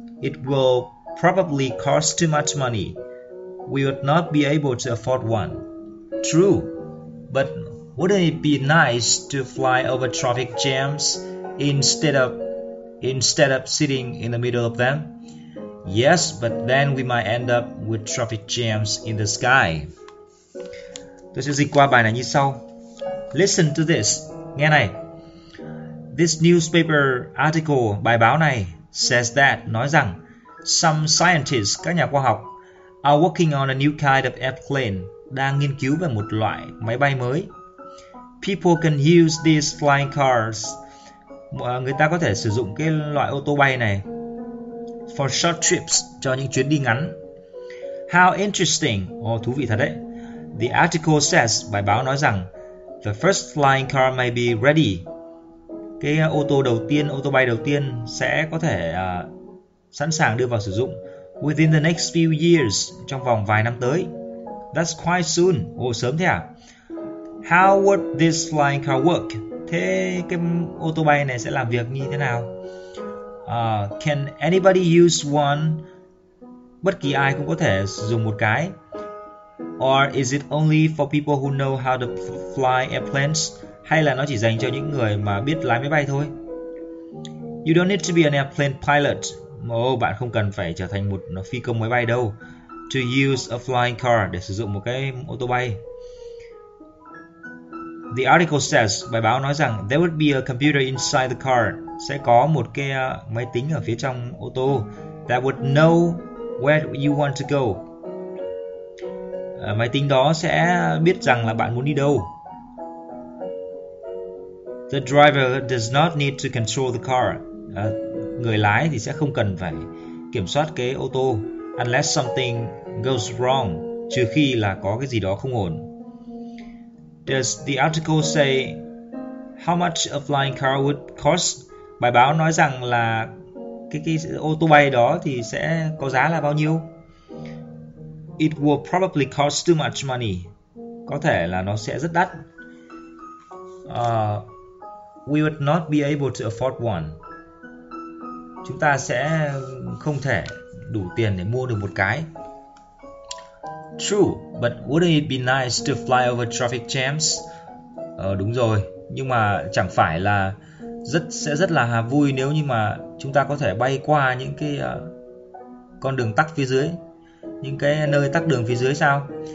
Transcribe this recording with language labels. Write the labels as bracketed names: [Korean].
[English] It will probably cost too much money. We would not be able to afford one. True, but wouldn't it be nice to fly over traffic jams instead of sitting in the middle of them? Yes, but then we might end up with traffic jams in the sky. [Vietnamese] Tôi sẽ dịch qua bài này như sau. [English] Listen to this. [Vietnamese] Nghe này. [English] This newspaper article, [Vietnamese] bài báo này, [English] says that, [Vietnamese] nói rằng, [English] some scientists, [Vietnamese] các nhà khoa học, [English] are working on a new kind of airplane, [Vietnamese] đang nghiên cứu về một loại máy bay mới. [English] People can use these flying cars. [Vietnamese] Người ta có thể sử dụng cái loại ô tô bay này [English] for short trips, [Vietnamese] cho những chuyến đi ngắn. [English] How interesting. [Vietnamese] Oh, thú vị thật đấy. [English] The article says, [Vietnamese] bài báo nói rằng, [English] the first flying car may be ready. [Vietnamese] Cái ô tô đầu tiên, ô tô bay đầu tiên sẽ có thể sẵn sàng đưa vào sử dụng [English] within the next few years, [Vietnamese] trong vòng vài năm tới. [English] That's quite soon. [Vietnamese] Ồ, sớm thế à? [English] How would this flying car work? [Vietnamese] Thế cái ô tô bay này sẽ làm việc như thế nào? [English] Can anybody use one? [Vietnamese] Bất kỳ ai cũng có thể sử dụng một cái. [English] Or is it only for people who know how to fly airplanes? [Vietnamese] Hay là nó chỉ dành cho những người mà biết lái máy bay thôi? [English] You don't need to be an airplane pilot. [Vietnamese] Oh, bạn không cần phải trở thành một phi công máy bay đâu. [English] To use a flying car, [Vietnamese] để sử dụng một cái ô tô bay. [English] The article says, [Vietnamese] bài báo nói rằng, [English] there would be a computer inside the car. [Vietnamese] Sẽ có một cái máy tính ở phía trong ô tô. [English] That would know where you want to go. [Vietnamese] Máy tính đó sẽ biết rằng là bạn muốn đi đâu. [English] The driver does not need to control the car. [Vietnamese] Người lái thì sẽ không cần phải kiểm soát cái ô tô, [English] unless something goes wrong, [Vietnamese] trừ khi là có cái gì đó không ổn. [English] Does the article say how much a flying car would cost? [Vietnamese] Bài báo nói rằng là cái ô tô bay đó thì sẽ có giá là bao nhiêu? [English] It will probably cost too much money. [Vietnamese] Có thể là nó sẽ rất đắt. [English] We would not be able to afford one. [Vietnamese] Chúng ta sẽ không thể đủ tiền để mua được một cái. [English] True, but wouldn't it be nice to fly over traffic jams? [Vietnamese] Đúng rồi, nhưng mà chẳng phải là rất là vui nếu như mà chúng ta có thể bay qua những cái con đường tắc phía dưới, những cái nơi tắc đường phía dưới sao?